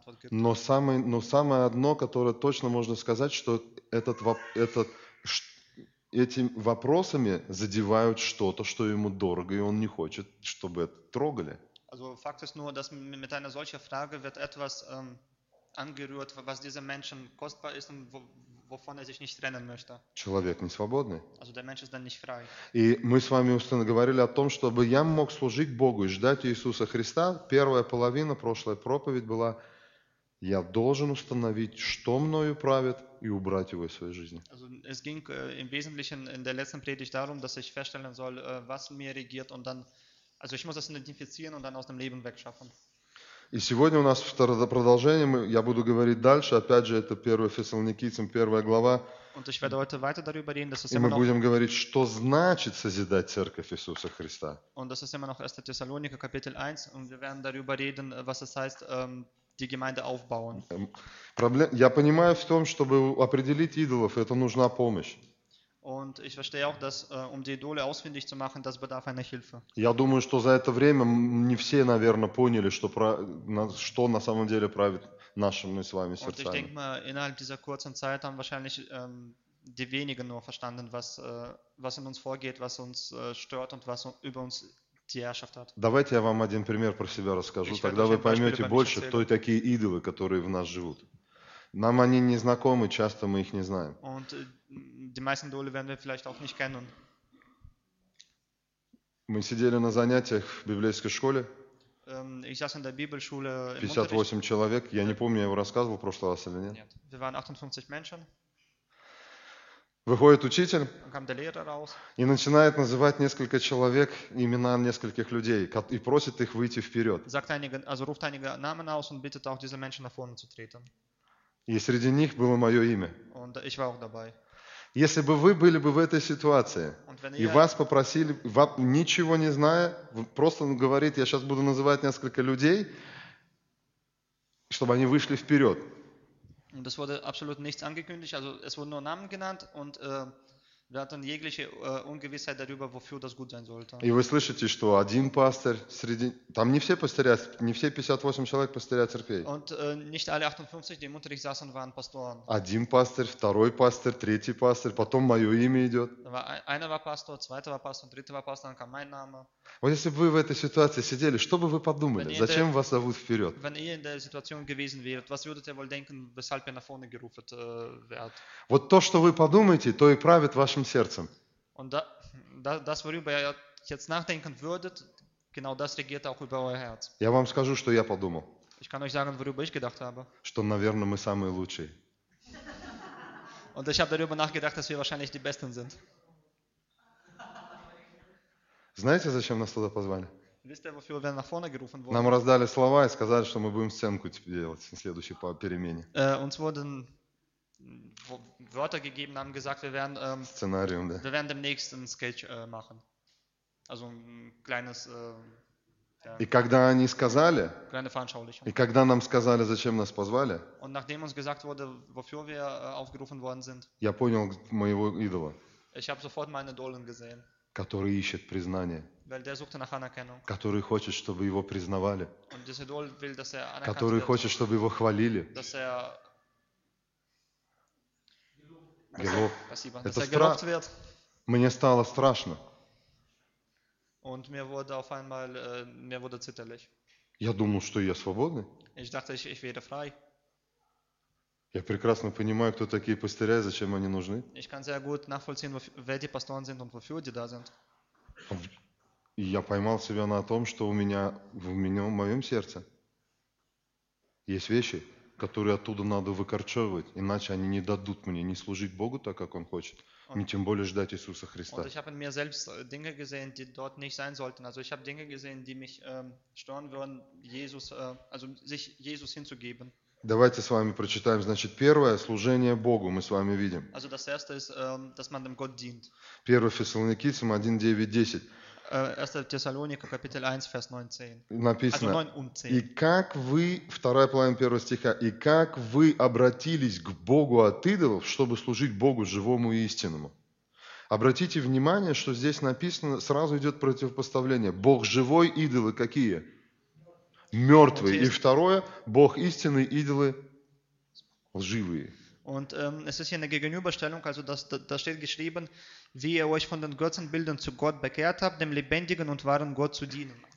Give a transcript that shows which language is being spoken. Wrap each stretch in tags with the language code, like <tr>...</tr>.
<ru>Но самое одно, которое точно можно сказать, что этими вопросами задевают что-то, что ему дорого, и он не хочет, чтобы это трогали.</ru> <de>Also, факт ist nur, dass mit einer solchen Frage wird etwas angerührt, was diesem Menschen kostbar ist und wovon er sich nicht trennen möchte.</de> <ru>Человек не свободный.</ru> <de>Also der Mensch ist dann nicht frei.</de> <ru>И мы с вами говорили о том, чтобы я мог служить Богу и ждать Иисуса Христа. Первая половина прошлой проповеди была: Я должен установить, что мною правит, и убрать его из своей жизни.</ru> <de>Also, es ging im Wesentlichen in der letzten Predigt darum, dass ich feststellen soll, was mir regiert und dann, also ich muss das identifizieren und dann aus dem Leben wegschaffen.</de> <ru>И сегодня у нас второе продолжение, я буду говорить дальше, опять же, это 1 Фессалоникийцам, 1 глава.</ru> <de>Und ich werde heute weiter darüber reden, dass es immer noch...</de> <ru>Мы будем говорить, что значит созидать Церковь Иисуса Христа.</ru> <de>Und das ist immer noch 1. Thessaloniker, Kapitel 1, und wir werden darüber reden, was es heißt, die Gemeinde aufbauen.</de> <ru>Я понимаю в том, чтобы определить идолов, это нужна помощь.</ru> <de>Und ich verstehe auch, dass um die Idole ausfindig zu machen, das bedarf einer Hilfe.</de> <ru>Я думаю, что за это время не все, наверное, поняли, что на самом деле правит нашими с вами сердцами.</ru> <de>Und ich denke mal, innerhalb dieser kurzen Zeit haben wahrscheinlich die wenigen nur verstanden, was in uns vorgeht, was uns stört und was über uns die Herrschaft hat.</de> <ru>Давайте я вам один пример про себя расскажу, тогда вы поймете больше, кто такие идолы, которые в нас живут. Нам они не знакомы, часто мы их не знаем.</ru> <de>Und die meisten Idole werden wir vielleicht auch nicht kennen.</de> <ru>Мы сидели на занятиях в библейской школе.</ru> <de>Ich saß in der Bibelschule.</de> <ru>58 человек. Я не помню, я его рассказывал в прошлый раз или нет.</ru> <de>Wir waren 58 Menschen.</de> <ru>Выходит учитель.</ru> <de>Dann kam der Lehrer raus.</de> <ru>И начинает называть несколько человек имена нескольких людей и просит их выйти вперед.</ru> <de>Sagt einige, also ruft einige Namen aus und bittet auch diese Menschen nach vorne zu treten.</de> <ru>И среди них было мое имя.</ru> <de>Und ich war auch dabei.</de> <ru>Если бы вы были бы в этой ситуации, и вас попросили, вам, ничего не зная, просто говорит, я сейчас буду называть несколько людей, чтобы они вышли вперед.</ru> <de>Und es wurde absolut nichts angekündigt, also es wurden nur Namen genannt und wir hatten jegliche Ungewissheit darüber, wofür das gut sein sollte.</de> <ru>И вы слышите, что один пастор среди... Там не все пастыря, не все 58 человек пастыря церквей.</ru> <de>Und nicht alle 58, die im Unterricht saßen, waren Pastoren.</de> <ru>Один пастор, второй пастор, третий пастор, потом мое имя идет.</ru> <de>Einer war Pastor, zweiter war Pastor, dritter war Pastor, dann kam mein Name.</de> <ru>Вот если бы вы в этой ситуации сидели, что бы вы подумали? Зачем вас зовут вперед?</ru> <de>Wenn ihr in der Situation gewesen wärt, was würdet ihr wohl denken, weshalb ihr nach vorne gerufen werdet?</de> <ru>Вот то, что вы подумаете, то и правит вашим сердцем.</ru> <de>Und das, worüber ihr jetzt nachdenken würdet, genau das regiert auch über euer Herz.</de> <ru>Я вам скажу, что я подумал.</ru> <de>Ich kann euch sagen, worüber ich gedacht habe.</de> <ru>Что, наверное, мы самые лучшие.</ru> <de>Und ich habe darüber nachgedacht, dass wir wahrscheinlich die Besten sind.</de> <ru>Знаете, зачем нас туда позвали?</ru> <de>Wisst ihr, wofür wir nach vorne gerufen wurden?</de> <ru>Нам раздали слова и сказали, что мы будем сценку делать в следующей перемене.</ru> <de>Uns wurden Wörter gegeben, haben gesagt, wir werden, Szenarium, wir werden demnächst ein Sketch machen. Also ein kleines...</de> <ru>И когда они сказали,</ru> <de>kleine Veranschaulichung.</de> <ru>И когда нам сказали, зачем нас позвали,</ru> <de>und nachdem uns gesagt wurde, wofür wir aufgerufen worden sind,</de> <ru>я понял моего идола.</ru> <de>Ich habe sofort meine Idole gesehen.</de> <ru>Который ищет признание.</ru> <de>Weil der suchte nach Anerkennung.</de> <ru>Который хочет, чтобы его признавали.</ru> <de>Und dieser Idol will, dass er anerkannt wird.</de> <ru>Который хочет, чтобы его хвалили.</ru> <de>Dass er... Gelobt.</de> <ru>Спасибо. Это</ru> <de>dass er gelobt wird.</de> <ru>Мне стало страшно.</ru> <de>Und mir wurde auf einmal, mir wurde zitterlich.</de> <ru>Я думал, что я свободный.</ru> <de>Ich dachte, ich wäre frei.</de> <ru>Я прекрасно понимаю, кто такие пастыря и зачем они нужны.</ru> <de>Ich kann sehr gut nachvollziehen, wer die Pastoren sind und wofür die da sind.</de> <ru>Я поймал себя на том, что в моем сердце есть вещи, которые оттуда надо выкорчевывать, иначе они не дадут мне не служить Богу так, как Он хочет, не тем более ждать Иисуса Христа.</ru> <de>Und ich habe in mir selbst Dinge gesehen, die dort nicht sein sollten. Also ich habe Dinge gesehen, die mich stören würden, Jesus, also sich Jesus hinzugeben.</de> <ru>Давайте с вами прочитаем. Значит, первое – служение Богу, мы с вами видим.</ru> <de>Also das erste ist, dass man dem Gott dient.</de> <ru>1 Фессалоникийцам 1:9-10.</ru> <de>1. Thessaloniker, Kapitel 1, Vers 9-10.</de> <ru>Написано,</ru> <de>also 9 und 10.</de> <ru>И как вы, вторая половина первого стиха, и как вы обратились к Богу от идолов, чтобы служить Богу живому и истинному? Обратите внимание, что здесь написано, сразу идет противопоставление. Бог живой, идолы какие? Мертвые. И второе, Бог истинный, идолы лживые.</ru> <de>Und es ist hier eine Gegenüberstellung, also da steht geschrieben, wie ihr euch von den Götzenbildern zu Gott bekehrt habt, dem lebendigen und wahren Gott zu dienen.</de>